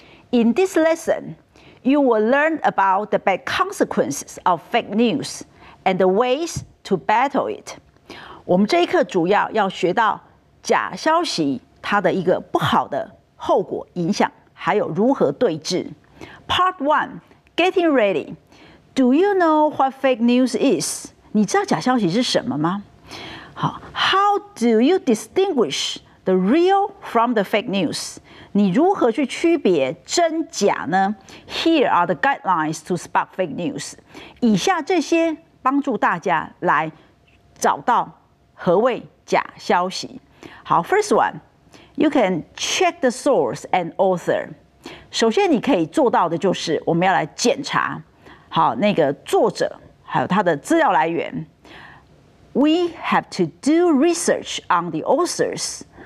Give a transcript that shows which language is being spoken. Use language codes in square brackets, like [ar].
[en] In this lesson, you will learn about the bad consequences of fake news and the ways to battle it. [zh] 我们这一课主要要学到假消息它的一个不好的后果影响，还有如何对治。 [en] Part one, getting ready. Do you know what fake news is? [zh] 你知道假消息是什么吗？ [en] 好 ，How do you distinguish the real from the fake news? [zh] 你如何去区别真假呢 [en] ？Here are the guidelines to spot fake news. [zh] 以下这些帮助大家来找到何谓假消息。 [en] 好 ，First one, you can check the source and author. [zh] 首先你可以做到的就是我们要来检查好那个作者还有他的资料来源。 [en] We have to do research on the authors.